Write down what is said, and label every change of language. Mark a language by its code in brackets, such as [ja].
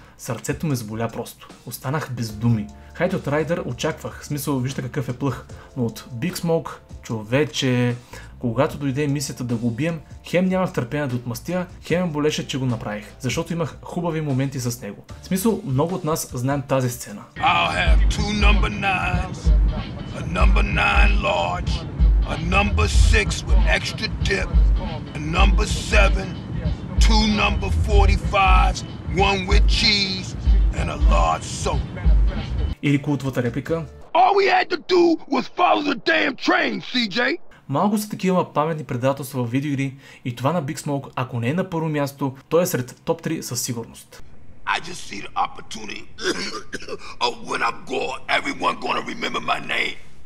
[bg] Сърцето ме заболя просто. Останах без думи. Хайде от Райдер очаквах, в смисъл вижда какъв е плъх, но от Биг Смок, човече, когато дойде мисията да го убием, хем нямах търпение да отмъстя, хем болеше, че го направих, защото имах хубави моменти с него. В смисъл, много от нас знаем тази сцена. [en] I'll have two number nines, a number nine large, a number six with extra dip, a number seven, two number 45s, one with cheese, and a large soap. [bg] Или култовата реплика. [en] All we had to do was follow the damn train, CJ. [bg] Малко са такива паметни предателства в видеоигри и това на Big Smoke, ако не е на първо място, то е сред топ 3 със сигурност. [en] I just see the opportunity. Oh, when I'm gone, everyone gonna remember my name.